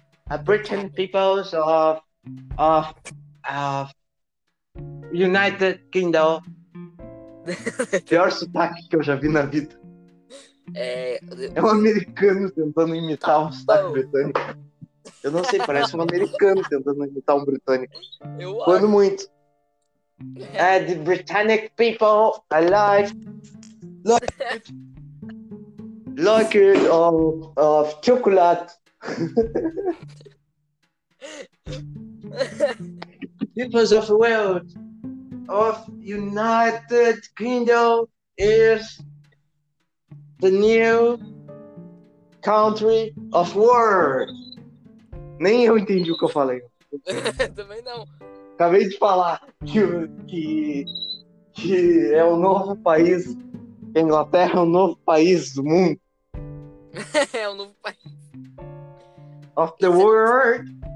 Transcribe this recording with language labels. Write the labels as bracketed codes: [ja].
[en] A Britain peoples of United Kingdom. [pt] Pior sotaque que eu já vi na vida. É um americano tentando imitar um sotaque britânico. Eu não sei, parece um americano tentando imitar um britânico. Quando muito. [en] The Britannic people alive. Like it of chocolate. Peoples of the world. Of United Kingdom is the new country of world. [pt] Nem eu entendi o que eu falei. Também não. Acabei de falar que é o novo país. Inglaterra é o novo país do mundo. É o novo país. [en] Of the is world.